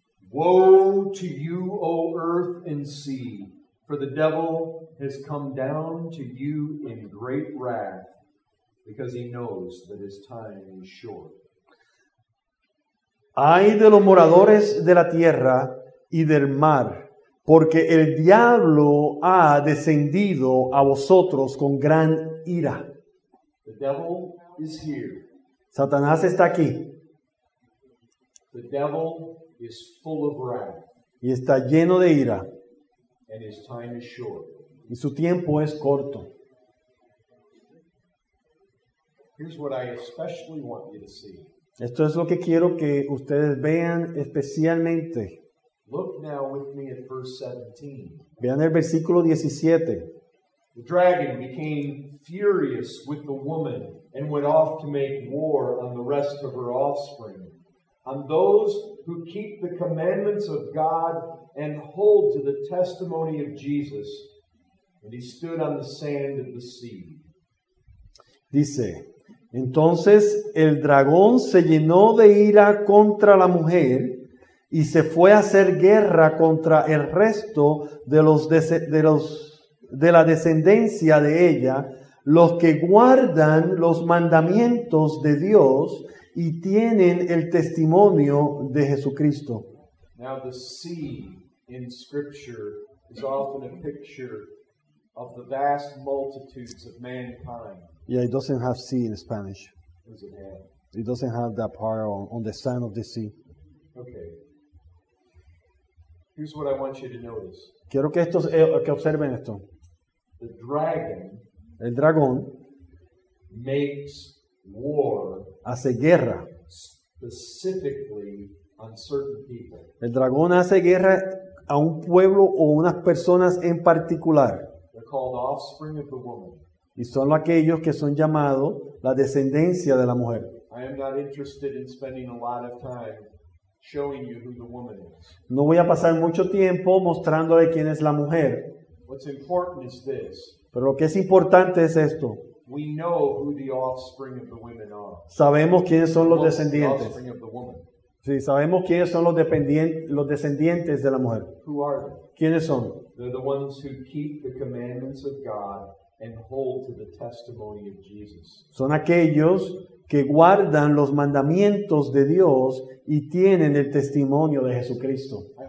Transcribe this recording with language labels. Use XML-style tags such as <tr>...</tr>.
<en>Woe to you, O earth and sea, for the devil has come down to you in great wrath, because he knows that his time is short.</en> <es>Ay de los moradores de la tierra y del mar, porque el diablo ha descendido a vosotros con gran ira.</es> <en>The devil is here.</en> <es>Satanás está aquí.</es> <en>The devil is full of wrath.</en> <es>Y está lleno de ira.</es> <en>And his time is short.</en> <es>Y su tiempo es corto.</es> <en>Here's what I especially want you to see.</en> <es>Esto es lo que quiero que ustedes vean especialmente.</es> <en>Look now with me at verse 17.</en> <es>Vean el versículo 17.</es> <en>The dragon became furious with the woman and went off to make war on the rest of her offspring, on those who keep the commandments of God and hold to the testimony of Jesus. And he stood on the sand of the sea.</en> <es>Dice, entonces el dragón se llenó de ira contra la mujer y se fue a hacer guerra contra el resto de la descendencia de ella, los que guardan los mandamientos de Dios y tienen el testimonio de Jesucristo.</es> <en>Now the sea in Scripture is often a picture of the vast multitudes of mankind. Yeah, it doesn't have sea in Spanish. Does it have? It doesn't have that part on the sand of the sea. Okay. Here's what I want you to notice.</en> <es>Quiero que estos que observen esto.</es> <en>The dragon,</en> <es>el dragón,</es> <en>makes war,</en> <es>hace guerra,</es> <en>specifically on certain people.</en> <es>El dragón hace guerra a un pueblo o unas personas en particular.</es> <en>They're called offspring of the woman.</en> <es>Y son aquellos que son llamados la descendencia de la mujer.</es> <en>I am not interested in spending a lot of time showing you who the woman is.</en> <es>No voy a pasar mucho tiempo mostrándole quién es la mujer.</es> <en>What's important is this.</en> <es>Pero lo que es importante es esto.</es> <en>We know who the offspring of the women are.</en> <es>Sabemos quiénes son los descendientes.</es> <en>The offspring of the woman.</en> <es>Sí, sabemos quiénes son los descendientes de la mujer.</es> <en>Who are they?</en> <es>¿Quiénes son?</es> <en>They're the ones who keep the commandments of God and hold to the testimony of Jesus.</en> <es>Son aquellos que guardan los mandamientos de Dios y tienen el testimonio de Jesucristo.</es>